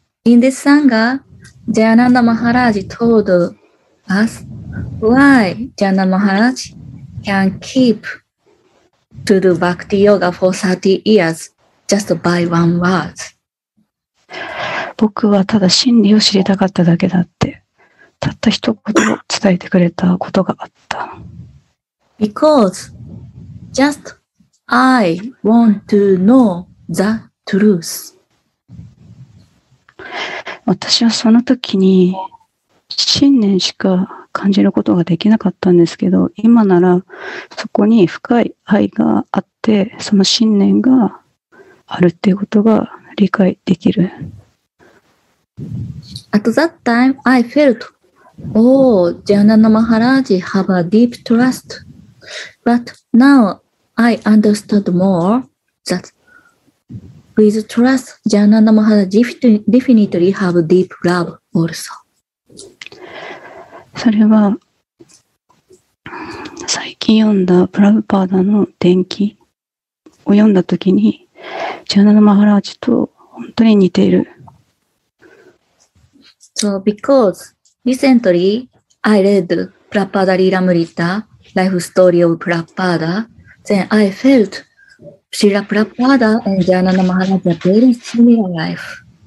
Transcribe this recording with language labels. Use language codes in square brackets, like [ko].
[en] In this sangha, ジェナダ・マハラージ told us why ジェナダ・マハラージ can keepTo do Bhakti Yoga for 30 years, just by one word. [ja] 僕はただ真理を知りたかっただけだって、たった一言伝えてくれたことがあった。 [en] Because just I want to know the truth. [ja] 私はその時に信念しか感じることができなかったんですけど、今ならそこに深い愛があって、その信念があるっていうことが理解できる。 [en] At that time, I felt, oh, Jananda Maharaj have a deep trust. But now I understood more that with trust, Jananda Maharaj definitely have deep love also. [ja] それは最近読んだプラブパーダの伝記を読んだときにジャナナ・マハラージと本当に似ている。 [en] So because recently I read プラパーダ・リラムリタ Life Story of プラブパーダ Then I felt シラ・プラブパーダ and ジャナナ・マハラージ are very similar life.